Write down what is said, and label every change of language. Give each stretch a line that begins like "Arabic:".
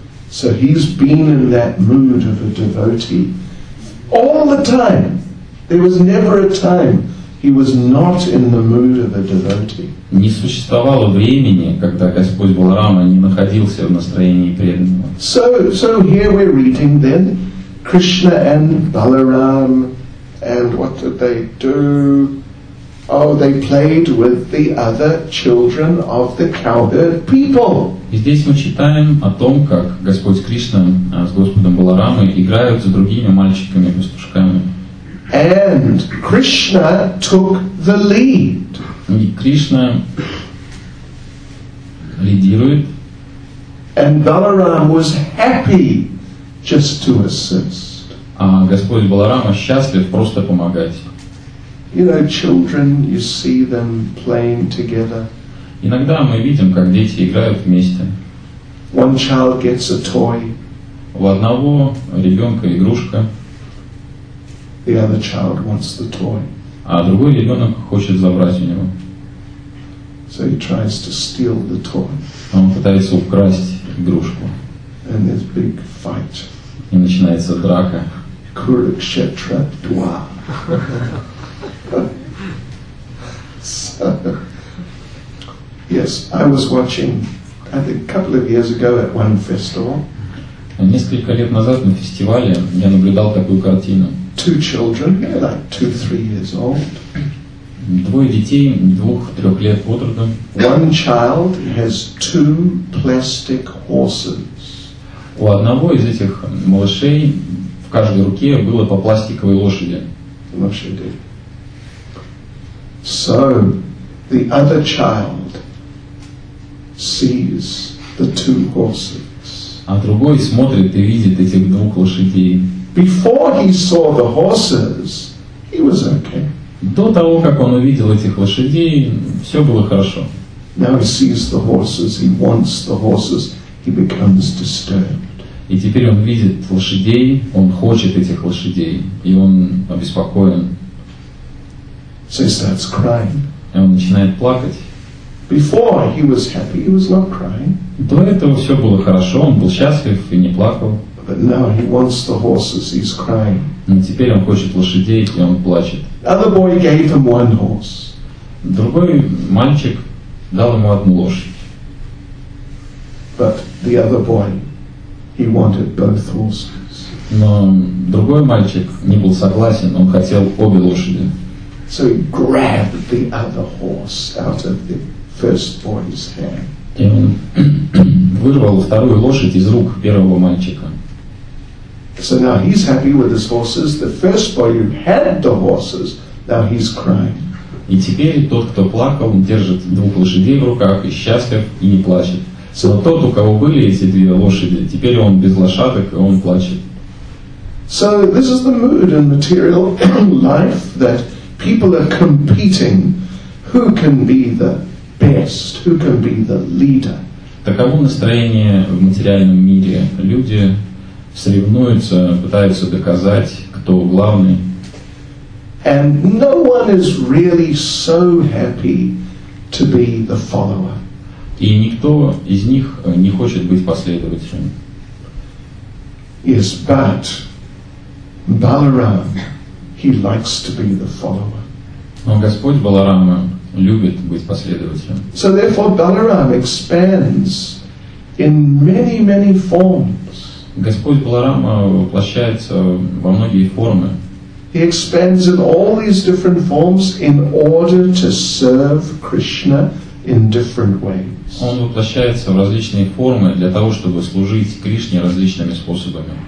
English: So he's been in that mood of a devotee all the time. There was never a time he was not in the mood of a devotee.
Russian: Не существовало времени, когда Господь Баларама не находился в настроении преданного.
English: So here we're reading then Krishna and Balaram. And what did they do? Oh, they played with the other children of the cowherd people.
Russian: И здесь мы читаем о том, как Господь Кришна с Господом Баларамой играют с другими мальчиками-пастушками.
English: And Krishna took the lead.
Russian: И Кришна лидирует.
English: And Balaram was happy just to assist.
Russian: А Господь Баларама счастлив просто помогать.
English: You know, children, you see them playing together.
Russian: Иногда мы видим, как дети играют вместе.
English: One child gets a toy.
Russian: У одного ребенка игрушка.
English: The other child wants the toy.
Russian: А другой ребенок хочет забрать у него.
English: So he tries to steal the toy.
Russian: Он пытается украсть игрушку.
English: And there's big fight.
Russian: И начинается драка.
English: Kurukshetra Dwa. Yes, I was watching, I think a couple of years ago at one festival.
Russian: Несколько лет назад на фестивале я наблюдал такую картину.
English: Two children, like 2-3 years old.
Russian: Двое детей, 2-3 лет от роду.
English: One child has two plastic horses.
Russian: У одного из этих малышей в каждой руке было по пластиковой лошади. Лошади.
English: So the other child sees the two horses.
Russian: А другой смотрит и видит этих двух лошадей.
English: Before he saw the horses, he was okay.
Russian: До того, как он увидел этих лошадей, все было хорошо.
English: Now he sees the horses, he wants the horses, he becomes disturbed.
Russian: И теперь он видит лошадей, он хочет этих лошадей, и он обеспокоен.
English: So he starts crying.
Russian: И он начинает плакать.
English: Before he was happy, he was not crying.
Russian: До этого все было хорошо, он был счастлив и не плакал.
English: But now he wants the horses, he's crying.
Russian: Но теперь он хочет лошадей, и он плачет.
English: Another boy gave him one horse.
Russian: Другой мальчик дал ему одну лошадь.
English: But the other boy, he wanted both horses.
Russian: Но другой мальчик не был согласен, он хотел обе лошади.
English: So he grabbed the other horse out of the first boy's hand.
Russian: И он вырвал вторую лошадь из рук первого мальчика.
English: So now he's happy with his horses. The first boy who had the horses, now he's crying.
Russian: И теперь тот, кто плакал, держит двух лошадей в руках и счастлив, и не плачет. Но тот, у кого были эти две лошади, теперь он без лошадок, и он плачет.
English: So this is the mood in material life that people are competing. Who can be the best? Who can be the leader?
Russian: Таково настроение в материальном мире. Люди соревнуются, пытаются доказать, кто главный.
English: And no one is really so happy to be the follower.
Russian: И никто из них не хочет быть последователем.
English: Yes, but Balaram, he likes to be the follower.
Russian: Но Господь Баларама любит быть последователем.
English: So therefore Balaram expands in many, many forms.
Russian: Господь Баларама воплощается во многие формы.
English: He expands in all these different forms in order to serve Krishna in different ways.
Russian: Он воплощается в различные формы для того, чтобы служить Кришне различными способами.